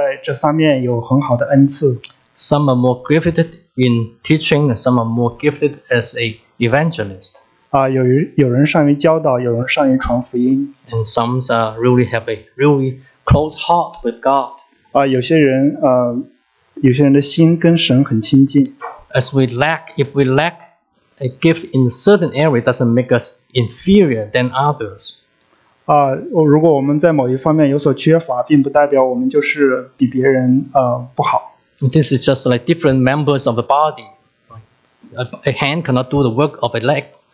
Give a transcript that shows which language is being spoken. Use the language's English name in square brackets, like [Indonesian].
[Chinese] 也不是每一个基督徒都在这三面有很好的恩赐。 [English] Some are more gifted in teaching, and some are more gifted as an evangelist. [Chinese] 有人善于教导，有人善于传福音。 [English] And some really have a really close heart with God. [Chinese] 有些人的心跟神很亲近。 [English] If we lack a gift in a certain area, doesn't make us inferior than others. [Chinese] 如果我们在某一方面有所缺乏，并不代表我们就是比别人不好。 [English] This is just like different members of the body. A hand cannot do the work of a leg.